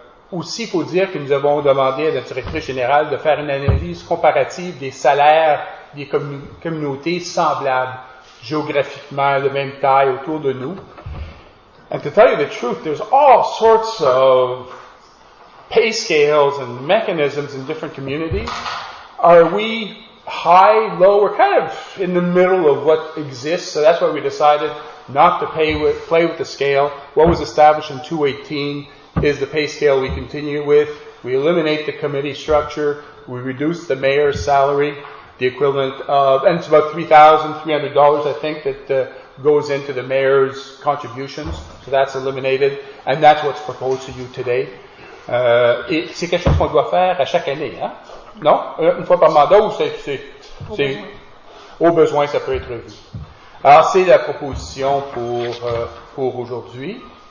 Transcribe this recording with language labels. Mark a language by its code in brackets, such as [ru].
[fr] Aussi, il faut dire que nous avons demandé à la directrice générale de faire une analyse comparative des salaires des communautés semblables, géographiquement de même taille autour de nous. [en] And to tell you the truth, there's all sorts of pay scales and mechanisms in different communities. Are we high, low, we're kind of in the middle of what exists, so that's why we decided not to play with the scale. What was established in 2018 is the pay scale we continue with. We eliminate the committee structure, we reduce the mayor's salary, the equivalent of, and it's about $3,300, I think, that goes into the mayor's contributions, so that's eliminated, and that's what's proposed to you today. [fr] Et c'est quelque chose qu'on doit faire à chaque année, hein? Non? Une fois par mandat ou c'est au besoin, ça peut être vu. Alors, c'est la proposition pour aujourd'hui.